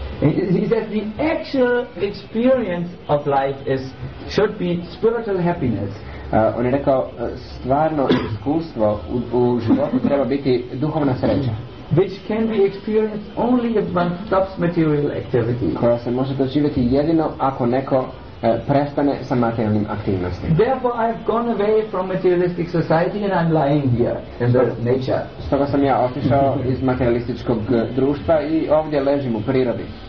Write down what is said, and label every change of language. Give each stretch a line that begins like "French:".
English: He says the actual experience of life is should be spiritual happiness.
Croatian: On je rekao stvarno iskustvo u životu treba biti duhovna sreća.
English: Which can be experienced only if one stops material activity.
Croatian: Koja se može doživjeti jedino ako neko prestane sa materijalnim aktivnostima.
English: Therefore I've gone away from materialistic society and I'm lying here in the nature.
Croatian: Stoga sam ja otišao iz materialističkog društva i ovdje ležim u prirodi.